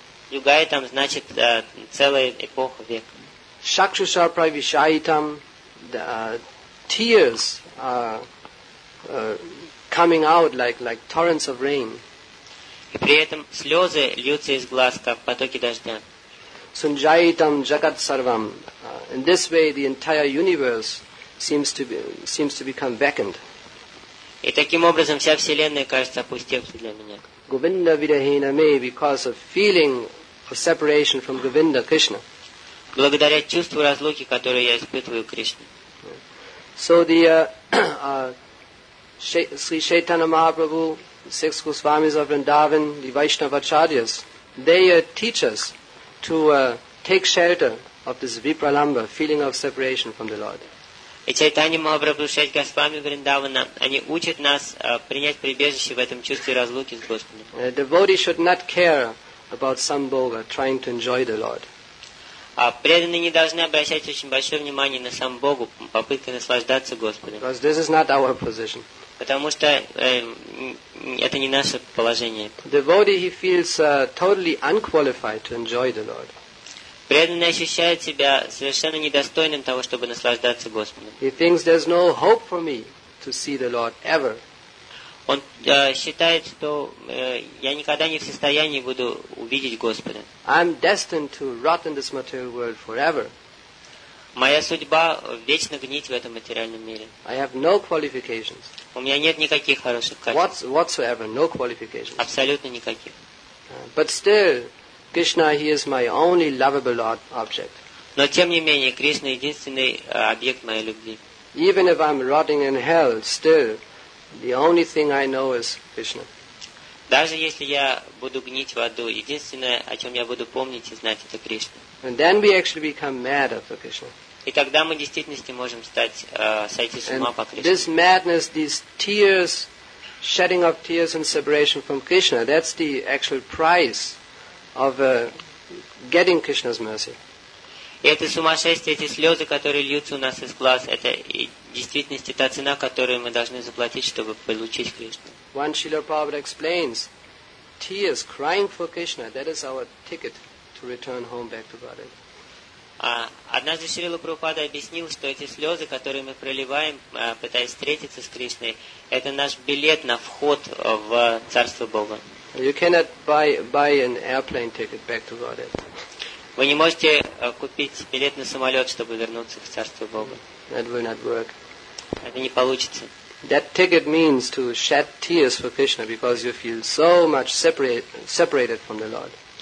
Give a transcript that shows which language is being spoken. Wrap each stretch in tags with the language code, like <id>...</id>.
<ru>Югайтам значит целая эпоха, век.</ru> <sa>Шакшуша правишайтам,</sa> <en>tears are coming out like torrents of rain.</en> <ru>И при этом слезы льются из глаз, как потоки дождя.</ru> <sa>Сунджайтам джагат сарвам.</sa> <en>In this way the entire universe seems to become vacant.</en> <ru>И таким образом вся вселенная кажется опустевшей для меня.</ru> <sa>Govinda vidahena me</sa> <en>because of feeling of separation from Govinda Krishna.</en> <ru>Благодаря чувству разлуки, которое я испытываю Кришне.</ru> <en>So the Sri Chaitanya Mahaprabhu, six Goswamis of Vrindavan, the Vaishnavacharyas, they teach us to take shelter of this vipralamba, feeling of separation from the Lord.</en> <ru>И Чайтанья Махапрабху, шесть Госвами Вриндавана, они учат нас принять прибежище в этом чувстве разлуки с Господом.</ru> <en>Devotee should not care about some boga trying to enjoy the Lord.</en> <ru>Преданные не должны обращать очень большое внимание на сам Богу, попытка наслаждаться Господом.</ru> <en>Because this is not our position.</en> <ru>Потому что это не наше положение.</ru> <en>Devotee, he feels totally unqualified to enjoy the Lord.</en> <ru>Преданный ощущает себя совершенно недостойным того, чтобы наслаждаться Господом.</ru> <en>He thinks there's no hope for me to see the Lord ever.</en> <ru>Он считает, что я никогда не в состоянии буду увидеть Господа.</ru> <en>I'm destined to rot in this material world forever.</en> <ru>Моя судьба вечно гнить в этом материальном мире.</ru> <en>I have no qualifications.</en> <ru>У меня нет никаких хороших качеств.</ru> <en>Whatsoever, no qualifications.</en> <ru>Абсолютно никаких.</ru> <en>But still, Krishna, he is my only lovable object.</en> <ru>Но тем не менее, Кришна единственный объект моей любви.</ru> <en>Even if I'm rotting in hell, still the only thing I know is Krishna.</en> <ru>Даже если я буду гнить в аду, единственное, о чем я буду помнить и знать, это Кришна.</ru> <en>And then we actually become mad after Krishna.</en> <ru>И тогда мы в действительности можем стать сойти с ума по Кришне.</ru> <en>This madness, these tears, shedding of tears and separation from Krishna, that's the actual price of getting Krishna's mercy.</en> <ru>Это сумасшествие, эти слезы, которые льются у нас из глаз, это в действительности та цена, которую мы должны заплатить, чтобы получить Кришну.</ru> <en>One Srila Prabhupada explains, tears, crying for Krishna, that is our ticket to return home back to Godhead.</en> <ru>Однажды Шрила Прабхупада объяснил, что эти слезы, которые мы проливаем, пытаясь встретиться с Кришной, это наш билет на вход в Царство Бога.</ru> <en>You cannot buy an airplane ticket back to Godhead.</en> <ru>Вы не можете купить билет на самолет, чтобы вернуться в Царство Бога.</ru> <en>That will not work.</en> <ru>Это не получится.</ru> <en>That ticket means to shed tears for Krishna because you feel so much separated from the Lord.</en>